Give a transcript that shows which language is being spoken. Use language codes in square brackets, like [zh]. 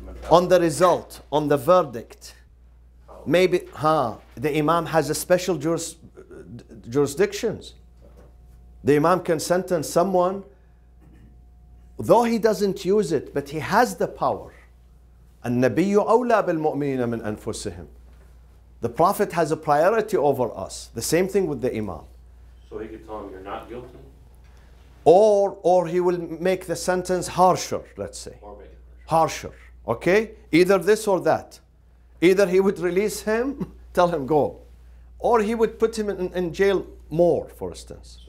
[en] On the result, on the verdict. Maybe, the imam has a special jurisdictions. The imam can sentence someone, though he doesn't use it, but he has the power. [ar] النبي أولى بالمؤمنين من أنفسهم. [en] The Prophet has a priority over us. The same thing with the Imam. So he could tell him you're not guilty? Or he will make the sentence harsher, let's say. Or make it harsher. Harsher. Okay? Either this or that. Either he would release him, tell him go. Or he would put him in jail more, for instance.